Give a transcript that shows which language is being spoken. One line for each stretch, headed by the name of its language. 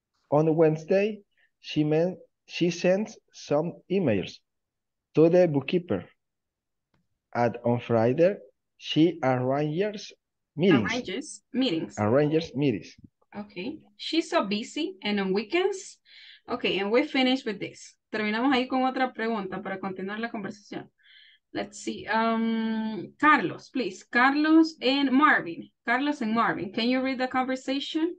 English: On Wednesday, she sends some emails to the bookkeeper. And on Friday, she arranges meetings. Okay, she's so busy, and on weekends, okay, and we finish with this.
Spanish: Terminamos ahí con otra pregunta para continuar la conversación.
English: Let's see, Carlos, please. Carlos and Marvin. Carlos and Marvin, can you read the conversation?